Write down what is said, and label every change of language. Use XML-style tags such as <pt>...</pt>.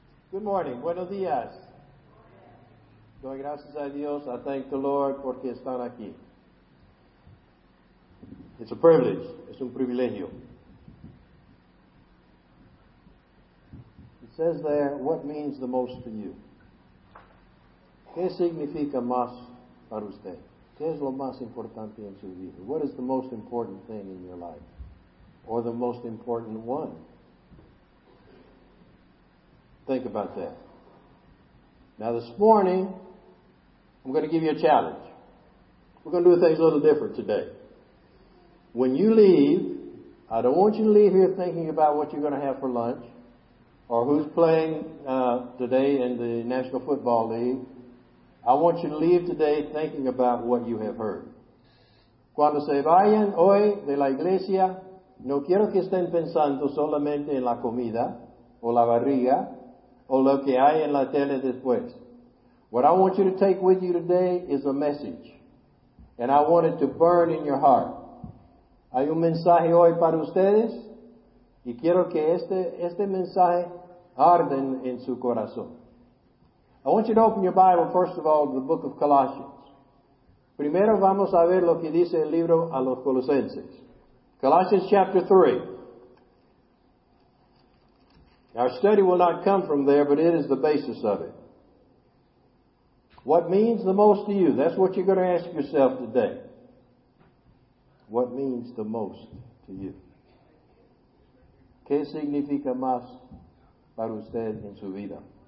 <en>Good morning.</en> <es>Buenos dias. Doy gracias a Dios.</es> <en>I thank the Lord</en> <es>porque están aquí.</es> <en>It's a privilege.</en> <es>Es un privilegio.</es> <en>It says there, what means the most to you?</en> <es>¿Qué significa más para usted? ¿Qué es lo más importante en su vida?</es> <en>What is the most important thing in your life? Or the most important one? Think about that. Now this morning, I'm going to give you a challenge. We're going to do things a little different today. When you leave, I don't want you to leave here thinking about what you're going to have for lunch. or who's playing today in the National Football League, I want you to leave today thinking about what you have heard.</en> <es>Cuando se vayan hoy de la iglesia, no quiero que estén pensando solamente en la comida o la barriga o lo que hay en la tele después.</es> <en>What I want you to take with you today is a message, and I want it to burn in your heart.</en> <es>Hay un mensaje hoy para ustedes, y quiero que este mensaje arde en su corazón.</es> <en>I want you to open your Bible, first of all, to the book of Colossians.</en> <es>Primero vamos a ver lo que dice el libro a los Colosenses.</es> <en>Colossians chapter 3. Our study will not come from there, but it is the basis of it. What means the most to you? That's what you're going to ask yourself today. What means the most to you?</en> <es>¿Qué significa más para usted en su vida?</es>